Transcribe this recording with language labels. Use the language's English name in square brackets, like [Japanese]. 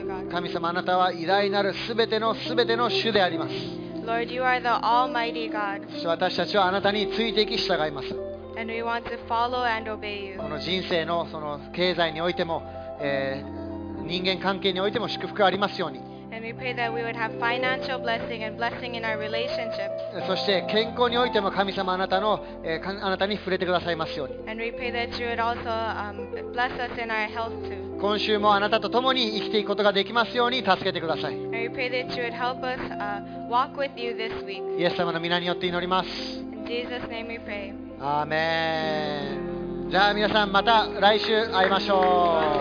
[Japanese] 神様、あなたは偉大なる全ての主であります。 [English] Lord, you are the Almighty God. [Japanese] 私たちはあなたについていき従います。 [English] and we want to follow and obey you. [Japanese] この人生 の, その経済においても、人間関係においても祝福がありますように。 [English] And we pray that we would have financial blessing and blessing in our relationships. [Japanese] そして健康においても神様あなたに触れてくださいますように。 [English] And we pray that you would also bless us in our health too. [Japanese] 今週もあなたと共に生きていくことができますように助けてください。 [English] And we pray that you would help us walk with you this week. [Japanese] イエス様の御名によって祈ります。 [English] In Jesus' name we pray. [Japanese] アーメン。じゃあ皆さん、また来週会いましょう。